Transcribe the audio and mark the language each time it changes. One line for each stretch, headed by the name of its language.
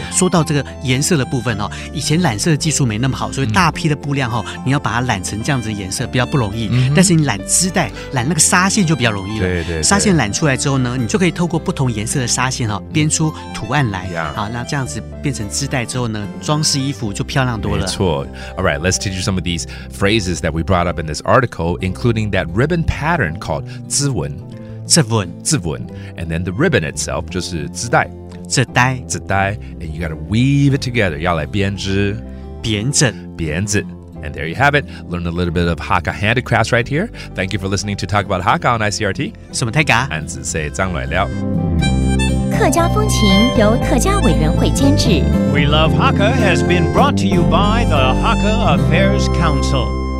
Chinese: 说到这个颜色的部分、以前染色的技术没那么好，所以大批的布料、你要把它染成这样子的颜色比较不容易、但是你染织带染那个纱线就比较容易了。对 对， 对，纱线染出来之后呢，你就可以透过不同颜色的纱线、编出图案来、那这样子变成织带之后呢，装饰衣服就漂亮多了。没错。
English: Alright, let's teach you some of thesephrases that we brought up in this article, including that ribbon pattern called 织纹,
Chinese: 织纹,
English: 织纹, and then the ribbon itself,
Chinese: 就是织带, 织带,
English: 织带, and you gotta weave it together,
Chinese: 要来编织, 编织,
English: 编织, and there you have it, learn a little bit of Hakka handicrafts right here. Thank you for listening to Talk About Hakka on ICRT.
Chinese: 什么泰嘎? 安子塞张来了。客家风情由客家委员会监制。
English: We Love Hakka has been brought to you by the Hakka Affairs Council.